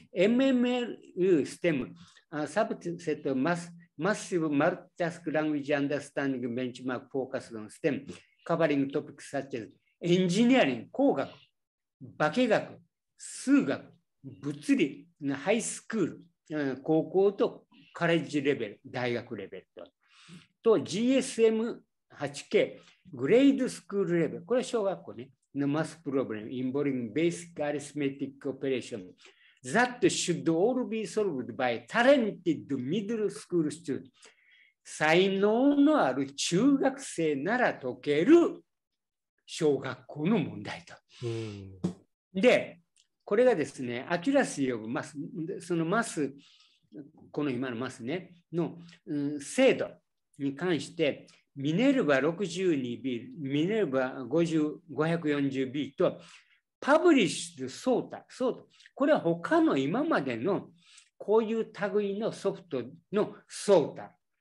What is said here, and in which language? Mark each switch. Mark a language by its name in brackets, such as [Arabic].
[Japanese] MML、ステム、サブセット、マス、マッシブ、マルチタスク、ラングウィッジ、アンダースタンディング、ベンチマーク、フォーカスのステム、カバリングトピックス、サッチェス、エンジニアリング、工学、化学、数学、物理、ハイスクール、高校とカレッジレベル、大学レベルと。と GSM8K、グレードスクールレベル、これは小学校ね。のマスプロブレム、インボリング、ベーシックアリスメティックオペレーション。 [English] That should all be solved by talented middle school student. [Japanese] 才能のある中学生なら解ける小学校の問題と。で、これがですね、アキュラシーオブマス、そのマス、この今のマスね、の、精度に関して、ミネルバ 62B、ミネルバ 540B と、パブリッシュドソータ、ソータ、これは他の今までのこういう類のソフトのソータ